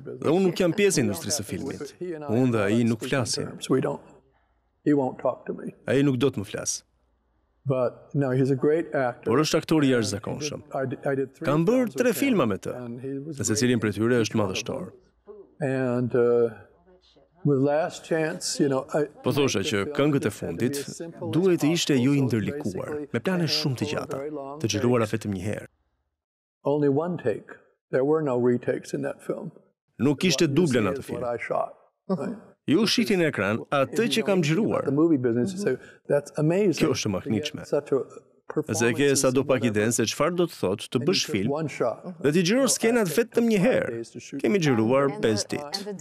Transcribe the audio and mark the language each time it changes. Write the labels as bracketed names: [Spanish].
[Albanian] Dhe unë nuk jam pjesë e industrisë së filmit. Unë dhe ai nuk flasim. [English] He won't talk to me. [Albanian] Ai nuk do të më flasë. [English] But no, he's a great actor. [Albanian] Por është aktor I jashtëzakonshëm. Kam bërë tre filma me të, në secilin prej tyre është madhështor. [English] And with last chance, you know, I [Albanian] po thosha që këngët e fundit duhet të ishte jo I ndërlikuar, me plane shumë të gjata, të xhiruara vetëm një herë. [English] Only one take. There were no retakes in that film. [Albanian] Nuk kishte duble në atë film. Ju shihni në ekran atë që kam xhiruar. Kjo është e mahnitshme. Nëse e ke sa do pak idenë se çfarë do të thotë të bësh film dhe të xhirosh skenat vetëm një herë. Kemi xhiruar 5 ditë.